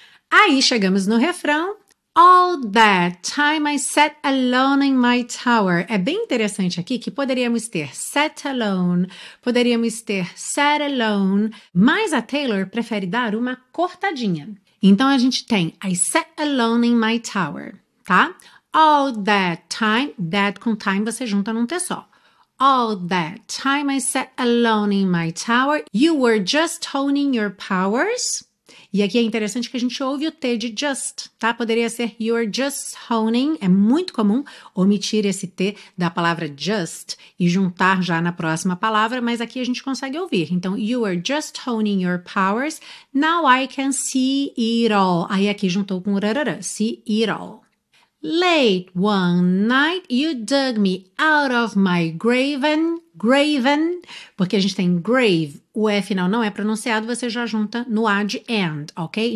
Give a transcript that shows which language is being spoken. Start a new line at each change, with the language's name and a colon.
Portuguese: Aí chegamos no refrão.
English: All that time I sat alone in my tower.
Portuguese: É bem interessante aqui que poderíamos ter sat alone, poderíamos ter sat alone, mas a Taylor prefere dar uma cortadinha. Então a gente tem
English: I sat alone in my tower, tá?
Portuguese: All that time, that com time você junta num T só.
English: All that time I sat alone in my tower, you were just honing your powers.
Portuguese: E aqui é interessante que a gente ouve o T de just, tá? Poderia ser you're just honing. É muito comum omitir esse T da palavra just e juntar já na próxima palavra, mas aqui a gente consegue ouvir.
English: Então, you are just honing your powers. Now I can see it all.
Portuguese: Aí aqui juntou com o rarara,
English: see it all. Late one night you dug me out of my graven,
Portuguese: porque a gente tem grave, o E final não é pronunciado, você já junta no ad and, ok?